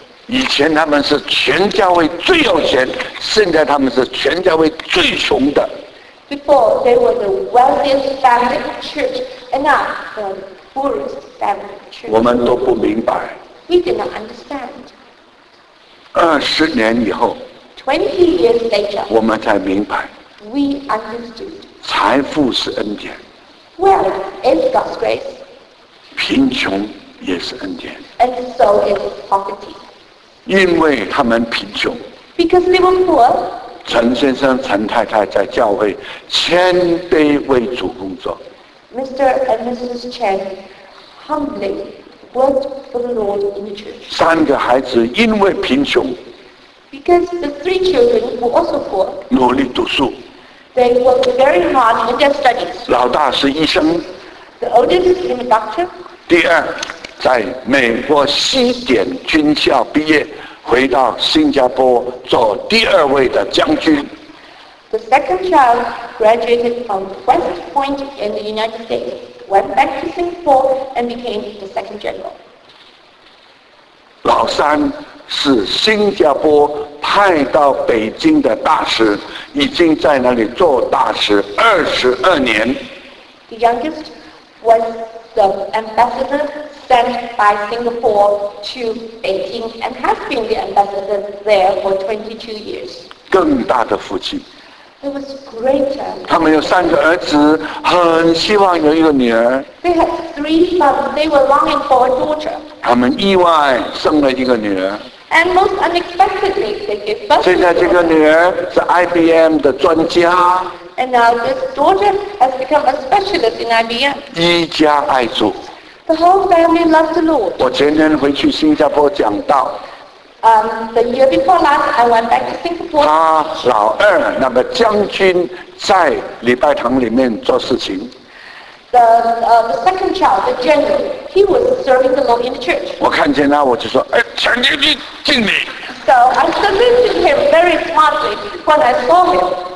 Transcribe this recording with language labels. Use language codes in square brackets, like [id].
[zh] 以前他们是全教会最有钱，现在他们是全教会最穷的。 [en] Before they were the wealthiest family in church, and now the poorest family in church. [zh] 我们都不明白。 [en] We did not understand. [zh] 20年以后。 [en] 20 years later, [zh] 我们才明白 [en] we understood. [zh] 财富是恩典 [en] Well, it's God's grace. [zh] 贫穷也是恩典 [en] And so is poverty. [zh] 因为他们贫穷 [en] Because they were poor. [zh] 陈先生、陈太太在教会谦卑为主工作 [en] Mr. and Mrs. Chen humbly worked for the Lord in the church. [zh] 三个孩子因为贫穷 [en] Because the three children were also poor. [zh] 努力读书。 [en] They worked very hard in their studies. [zh] 老大是医生。 [en] The oldest is a doctor. [zh] 第二，在美国西点军校毕业，回到新加坡做第二位的将军。 [en] The second child graduated from West Point in the United States, went back to Singapore and became the second general. [zh] 老三。是新加坡派到北京的大使，已经在那里做大使22年。 [en] The youngest was the ambassador sent by Singapore to Beijing and has been the ambassador there for 22 years. [zh] 更大的福气。 [en] It was greater. [zh] 他们有三个儿子，很希望有一个女儿。 [en] They had three sons. They were longing for a daughter. [zh] 他们意外生了一个女儿。 [en] And most unexpectedly, they gave birth. [zh] 现在这个女儿是 IBM 的专家。 [en] And now this daughter has become a specialist in IBM. [zh] 一家爱主。 [en] The whole family loves the Lord. [zh] 我前天回去新加坡讲道。 [en] The year before last, I went back to Singapore. [zh] 他老二那个将军在礼拜堂里面做事情。 [en] The second child, the general, he was serving the Lord in the church. [zh] 我看见他，我就说，哎，强将军，敬礼。 [en] So I saluted him very smartly when I saw him.